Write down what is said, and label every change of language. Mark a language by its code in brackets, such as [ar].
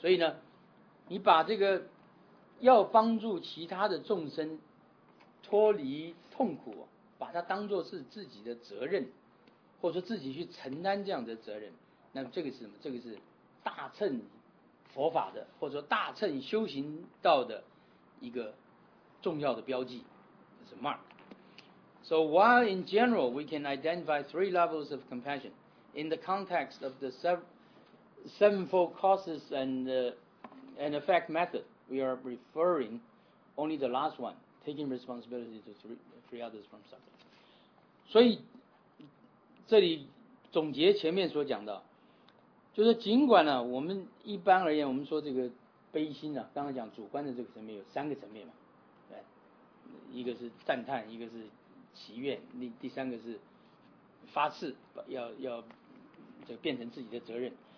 [zh] 所以呢，你把这个要帮助其他的众生脱离痛苦，把它当作是自己的责任，或者说自己去承担这样的责任，那么这个是什么？这个是大乘佛法的，或者说大乘修行道的一个重要的标记，就是 mark。 [en] So while in general we can identify three levels of compassion in the context of the sevenfold causes and effect method, we are referring only the last one, taking responsibility to free others from suffering。 [zh] 所以这里总结前面所讲的，就是尽管呢、我们一般而言，我们说这个悲心呢、刚才讲主观的这个层面有三个层面嘛，对，一个是赞叹，一个是祈愿，第三个是发誓，要这个变成自己的责任。